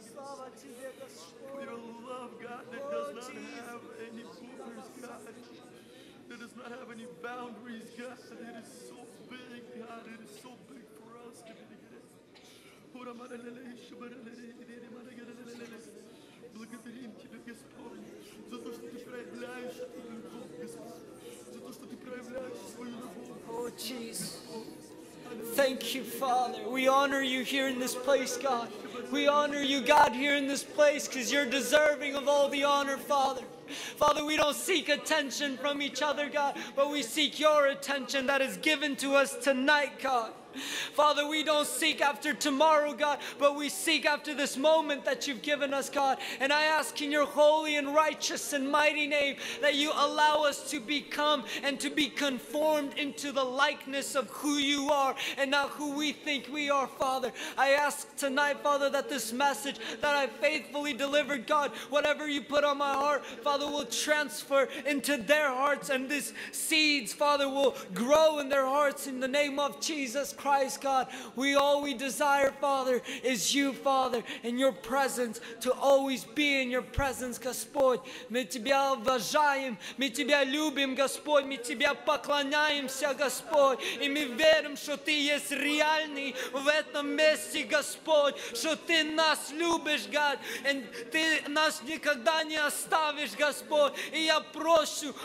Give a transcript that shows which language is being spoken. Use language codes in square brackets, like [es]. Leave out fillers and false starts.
[en] For your love, God, that does not have any borders, God. That does not have any boundaries, God. It is so big, God. It is so big for us to be [ru] Благодарим Тебя, Господь, за то, что Ты проявляешь Твою любовь, Господь, за то, что Ты проявляешь Свою любовь. [en] О, Иисус. Thank you, Father. We honor you here in this place, God. We honor you, God, here in this place, because you're deserving of all the honor, Father. Father, we don't seek attention from each other, God, but we seek your attention that is given to us tonight, God. Father, we don't seek after tomorrow, God, but we seek after this moment that you've given us, God. And I ask in your holy and righteous and mighty name that you allow us to become and to be conformed into the likeness of who you are and not who we think we are, Father. I ask tonight, Father, that this message that I faithfully delivered, God, whatever you put on my heart, Father, will transfer into their hearts, and these seeds, Father, will grow in their hearts in the name of Jesus Christ, God. We all we desire, Father, is you, Father, and your presence, to always be in your presence, Господь. [ru] Мы тебя уважаем, мы тебя любим, Господь, мы тебя поклоняемся, Господь, и мы верим, что ты есть реальный в этом месте, Господь, что ты нас любишь, [en] God, and [ru] ты нас никогда не оставишь, Господь, и я прошу